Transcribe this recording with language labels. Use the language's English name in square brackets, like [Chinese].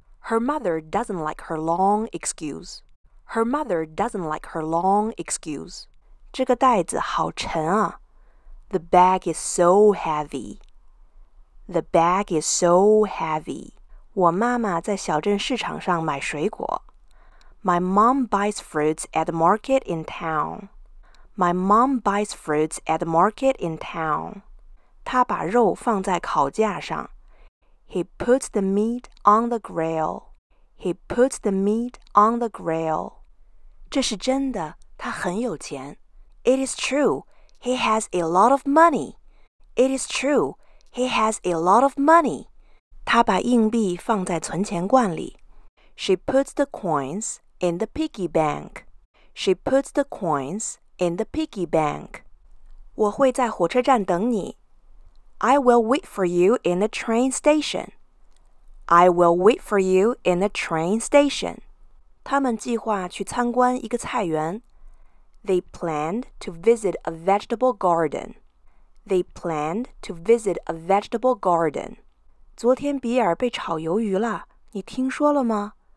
[English] Her mother doesn't like her long excuse. Her mother doesn't like her long excuse. [Chinese] 这个袋子好沉啊。 [English] The bag is so heavy. The bag is so heavy. [Chinese] 我妈妈在小镇市场上买水果。 [English] My mom buys fruits at the market in town. My mom buys fruits at the market in town. [Chinese] 她把肉放在烤架上。 [English] He puts the meat on the grill. He puts the meat on the grill. [Chinese] 这是真的，他很有钱。 [English] It is true, he has a lot of money. It is true, he has a lot of money. [Chinese] 他把硬币放在存钱罐里。 [English] She puts the coins in the piggy bank. She puts the coins in the piggy bank. [Chinese] 我会在火车站等你。 [English] I will wait for you in the train station. I will wait for you in the train station. [Chinese] 他们计划去参观一个菜园。 [English] They planned to visit a vegetable garden. They planned to visit a vegetable garden. [Chinese] 昨天比尔被炒鱿鱼了，你听说了吗？